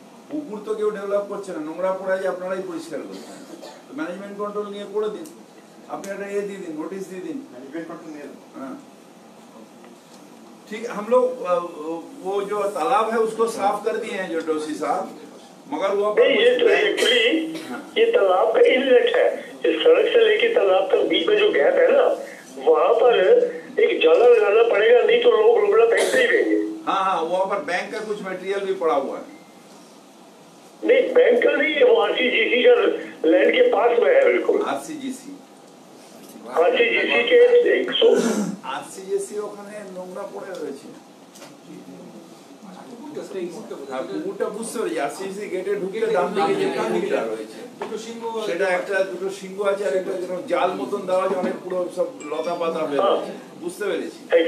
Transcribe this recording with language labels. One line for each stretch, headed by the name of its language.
Bangla: পুকুর তো কেউ ডেভেলপ করছে না, নোংরা পোড়াই আপনারাই পরিষ্কার করছেন। ম্যানেজমেন্ট কন্ট্রোল নিয়ে করে দিন, আপনি একটা এ দিয়ে দিন, নোটিস দিয়ে দিন।
Hindi: ঠিক হম লোক ও যে তালাব হ্যায় উসকো সাফ কর দিয়ে হ্যায় জো ডোসি সাহেব, মগর ও আপনি ये तो एक्चुअली ये तालाब का इनलेट है, इस सड़क से लेके तालाब तक बीच में जो गैप है ना, वहां पर एक जाला लगाना पड़ेगा, नहीं तो लोग रुबड़ा फेंक देंगे। हां हां, वहां पर बैंक का कुछ मटेरियल भी पड़ा हुआ है। नहीं बैंक का नहीं, वो आरसीजीसी का लैंड के पास में है। बिल्कुल
Bangla: आरसीजीसी জাল মতন দেওয়া আছে, অনেক পুরো সব লতা পাতা বেরোচ্ছে, বুঝতে পেরেছি।